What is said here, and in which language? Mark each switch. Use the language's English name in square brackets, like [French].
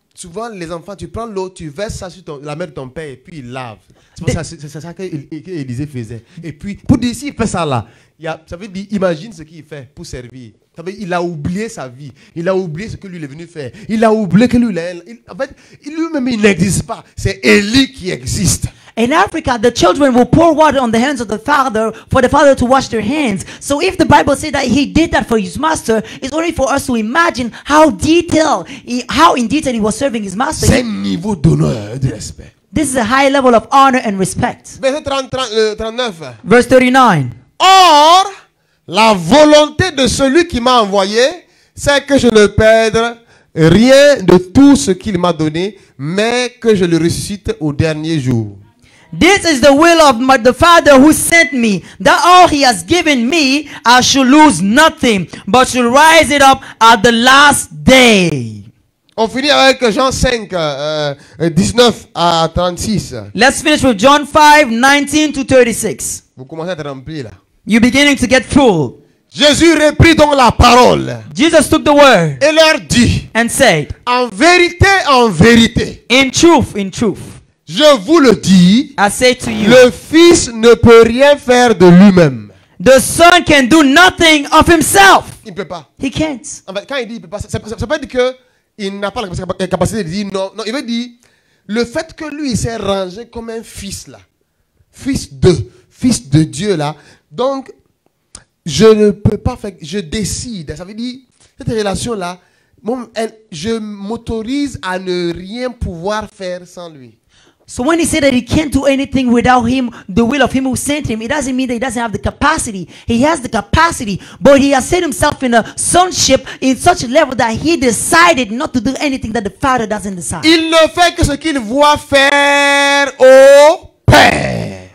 [French] souvent les enfants, tu prends l'eau, tu verses ça sur la mère de ton père et puis ils lavent. C'est ça qu'Élisée faisait. Et puis, pour dire, s'il fait ça là, ça veut dire, imagine ce qu'il fait pour servir. Ça veut dire, il a oublié sa vie. Il a oublié ce que lui est venu faire. Il a oublié que lui, en fait, lui-même, il n'existe pas. C'est Élie qui existe. [English] In Africa, the children will pour water on the hands of the father for the father to wash their hands. So if the Bible says that he did that for his master, it's only for us to imagine how in detail he was serving his master. [French] C'est niveau d'honneur et de respect. [English] This is a high level of honor and respect. Verse 39. [French] Or, la volonté de celui qui m'a envoyé, c'est que je ne perde rien de tout ce qu'il m'a donné, mais que je le ressuscite au dernier jour. [English] This is the will of the Father who sent me, that all he has given me, I should lose nothing, but should rise it up at the last day. [French] On finit avec Jean 5, 19 à 36. [English] Let's finish with John 5, 19 to 36. [French] Vous commencez à être rempli là. [English] You're beginning to get full. [French] Jésus reprit donc la parole. [English] Jesus took the word. [French] Et leur dit. [English] And said. [French] En vérité, [English] in truth. [French] Je vous le dis. [English] I say to you. [French] Le Fils ne peut rien faire de lui-même. [English] The Son can do nothing of himself. [French] Il ne peut pas. [English] He can't. [French] En fait, quand il dit il ne peut pas, ça veut dire que il n'a pas la capacité de dire non. Non, il veut dire le fait que lui il s'est rangé comme un fils là, fils de Dieu là. Donc je ne peux pas faire, je décide. Ça veut dire cette relation là, je m'autorise à ne rien pouvoir faire sans lui. [English] So when he said that he can't do anything without him, the will of him who sent him, it doesn't mean that he doesn't have the capacity. He has the capacity, but he has set himself in a sonship in such a level that he decided not to do anything that the Father doesn't decide. [French] Il ne fait que ce qu'il voit faire au Père.